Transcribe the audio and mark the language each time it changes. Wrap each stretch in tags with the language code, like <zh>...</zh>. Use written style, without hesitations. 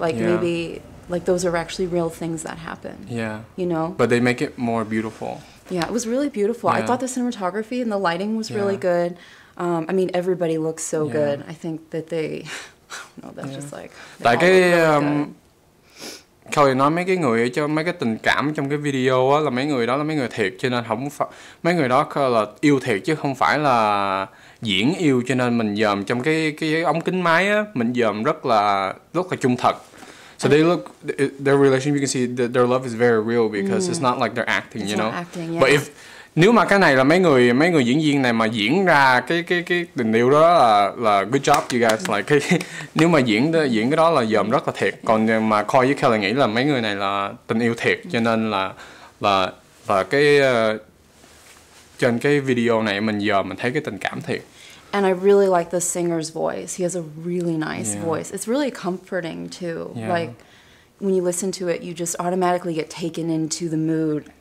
<en>Like yeah. maybe like those are actually real things that happen. Yeah. You know? But they make it more beautiful. Yeah, it was really beautiful. Yeah. I thought the cinematography and the lighting was yeah. really good. I mean everybody looks so yeah. good. I think that they no, that's yeah. just like they like all look a, really good.</en> <vi>Kelly nói mấy cái người cho mấy cái tình cảm trong cái video á là mấy người đó là mấy người thiệt, cho nên mấy người đó là yêu thiệt chứ không phải là diễn yêu, cho nên mình dòm trong cái ống kính máy á, mình dòm rất là trung thật.</vi> <en>So they look their relationship, you can see that their love is very real because it's not like they're acting, you know. Acting, yeah. But if</en> <vi>nếu mà cái này là mấy người diễn viên này mà diễn ra cái tình yêu đó là</vi> <en>good job you guys, like</en> <vi>nếu mà diễn cái đó là dòm rất là thiệt, còn mà Coy với Kelly nghĩ là mấy người này là tình yêu thiệt, cho nên là cái trên cái video này mình thấy cái tình cảm thiệt.</vi> <en>And I really like the singer's voice. He has a really nice yeah. voice. It's really comforting too. Yeah. Like when you listen to it, you just automatically get taken into the mood</en>